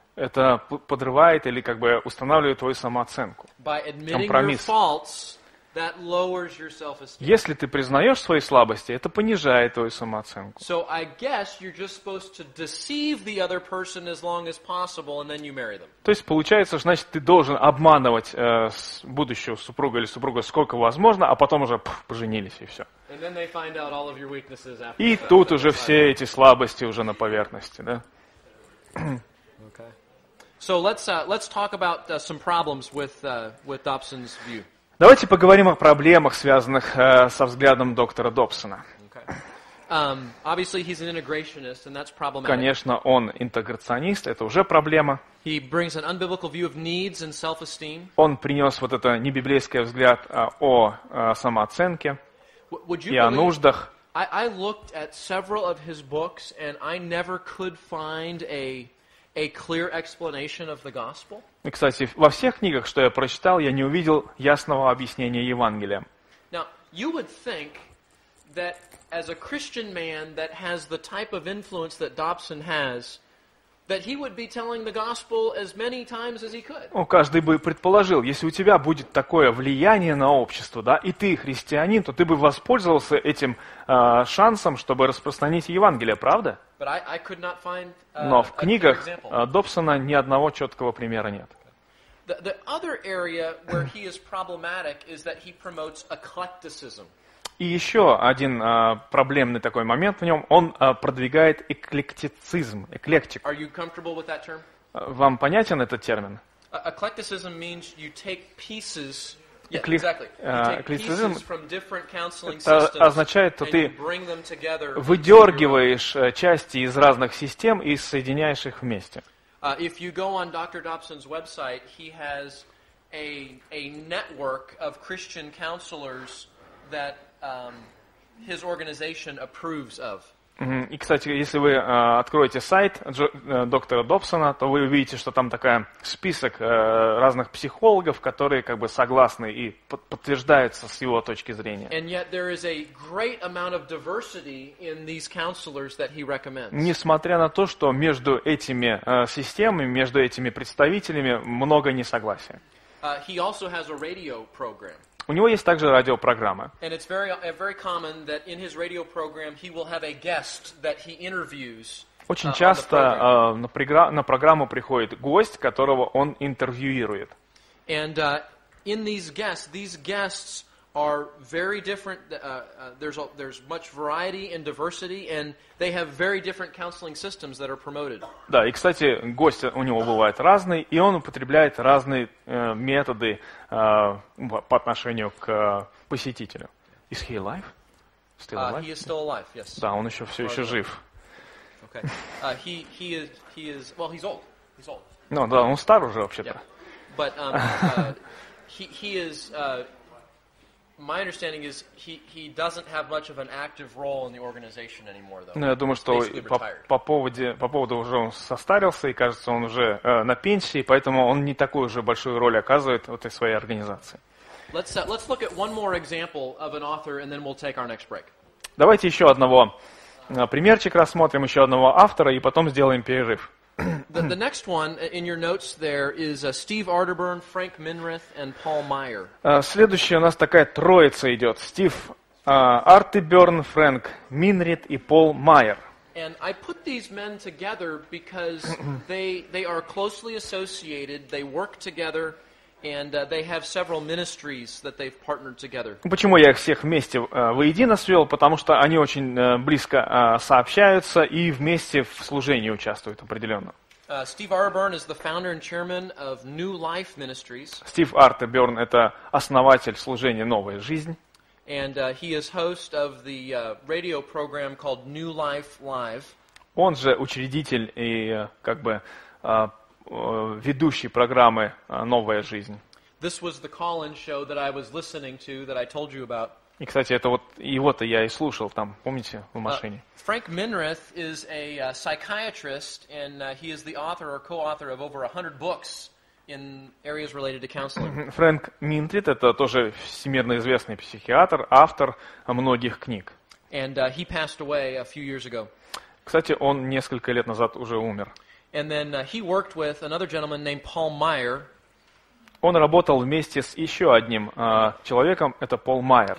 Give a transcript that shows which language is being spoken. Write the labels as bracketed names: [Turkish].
[Russian] Это подрывает или как бы устанавливает твою самооценку. [English] By admitting your faults, that lowers your self-esteem. [Russian] Если ты признаешь свои слабости, это понижает твою самооценку. [English] So I guess you're just supposed to deceive the other person as long as possible, and then you marry them. [Russian] То есть получается, значит, ты должен обманывать будущего супруга или супруга сколько возможно, а потом уже поженились и все. [English] And then they find out all of your weaknesses after. [Russian] И тут уже все эти слабости уже на поверхности, да? [English] Okay. So let's talk about some problems with Dobson's view. [Russian] Давайте поговорим о проблемах, связанных со взглядом доктора Добсона. [English] Obviously, he's an integrationist, and that's problematic. [Russian] Конечно, он интеграционист, это уже проблема. [English] He brings an unbiblical view of needs and self-esteem. [Russian] Он принес вот это небиблейский взгляд о самооценке и о нуждах. [English] I looked at several of his books, and I never could find a clear explanation of the gospel. [Russian] И, кстати, во всех книгах, что я прочитал, я не увидел ясного объяснения Евангелия. [English] Now, you would think that as a Christian man that has the type of influence that Dobson has, that he would be telling the gospel as many times as he could. [Russian] Ну, каждый бы предположил, если у тебя будет такое влияние на общество, да, и ты христианин, то ты бы воспользовался этим шансом, чтобы распространить Евангелие, правда? [English] But I could not find a clear example. [Russian] Но в книгах Добсона ни одного четкого примера нет. [English] The other area where he is problematic is that he promotes eclecticism. [Russian] И еще один проблемный такой момент в нем, он продвигает эклектицизм, эклектик. [English] Are you comfortable with that term? [Russian] Вам понятен этот термин? [English] Eclecticism means you take pieces. Эклектицизм [Russian] означает, что ты выдергиваешь части из разных систем и соединяешь их вместе. [English] If you go on Dr. Dobson's website, he has a network of Christian counselors that his organization approves of. [Russian] И, кстати, если вы откроете сайт доктора Добсона, то вы увидите, что там такая список разных психологов, которые как бы согласны и подтверждаются с его точки зрения. [English] And yet there is a great amount of diversity in these counselors that he recommends. [Russian] Несмотря на то, что между этими системами, между этими представителями много несогласия. [English] He also has a radio program. [Russian] У него есть также радиопрограмма. [English] And it's very common that in his radio program he will have a guest that he interviews. [Russian] Очень часто на программу приходит гость, которого он интервьюирует. [English] And in these guests are very different. There's much variety and diversity, and they have very different counseling systems that are promoted. [Russian] Да, и кстати, гости у него бывают разные, и он употребляет разные методы по отношению к посетителю. [English] Is he alive? Still alive? He is still alive. Yes. [Russian] Да, он еще все еще жив. [English] Okay. He is. Well, he's old. He's old. [Russian] Ну да, он стар уже вообще-то. [English] Yeah. But he is. My understanding is he doesn't have much of an active role in the organization anymore, though. [Russian] Ну, я думаю, что по поводу уже он состарился, и кажется, он уже на пенсии, поэтому он не такую же большую роль оказывает в этой своей организации. [English] Let's look at one more example of an author, and then we'll take our next break. [Russian] Давайте еще одного примерчик рассмотрим, еще одного автора, и потом сделаем перерыв. [English] The next one in your notes there is Steve Arterburn, Frank Minrith, and Paul Meyer. [Russian] Следующая у нас такая троица идет. Стив Артеберн, Фрэнк Минрит и Пол Майер. [English] And I put these men together because they are closely associated, they work together, and they have several ministries that they've partnered together. [Russian] Почему я их всех вместе воедино свел? Потому что они очень близко сообщаются и вместе в служении участвуют определенно. [English] Steve Arterburn is the founder and chairman of New Life Ministries. [Russian] Стив Артеберн – это основатель служения «Новая жизнь». [English] And he is host of the radio program called New Life Live. [Russian] Он же учредитель и как бы ведущий программы «Новая жизнь». [English] This was the call-in show that I was listening to, that I told you about. [Russian] И, кстати, это вот его-то я и слушал там, помните, в машине. [English] Frank Minrith is a psychiatrist, and he is the author or co-author of over 100 books in areas related to counseling. [Russian] Фрэнк Минрит – это тоже всемирно известный психиатр, автор многих книг. [English] And he passed away a few years ago. [Russian] Кстати, он несколько лет назад уже умер. [English] And then he worked with another gentleman named Paul Meyer. [Russian] Он работал вместе с еще одним человеком, это Пол Майер.